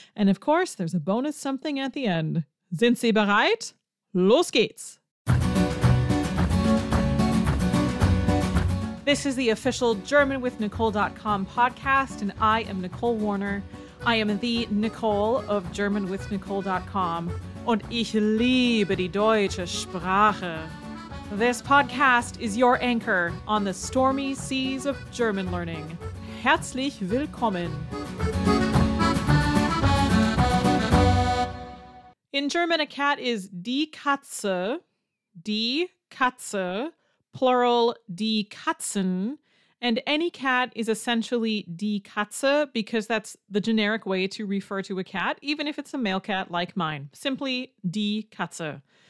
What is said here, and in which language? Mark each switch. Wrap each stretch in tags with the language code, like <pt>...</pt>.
<en>And of course, there's a bonus something at the end.</en> <de>Sind Sie bereit? Los geht's!</de> <en>This is the official GermanWithNicole.com podcast, and I am Nicole Warner. I am the Nicole of GermanWithNicole.com.</en> <de>Und ich liebe die deutsche Sprache.</de> <en>This podcast is your anchor on the stormy seas of German learning.</en> <de>Herzlich willkommen.</de> <en>In German, a cat is die Katze, plural die Katzen, and any cat is essentially die Katze because that's the generic way to refer to a cat, even if it's a male cat like mine, simply die Katze.</en>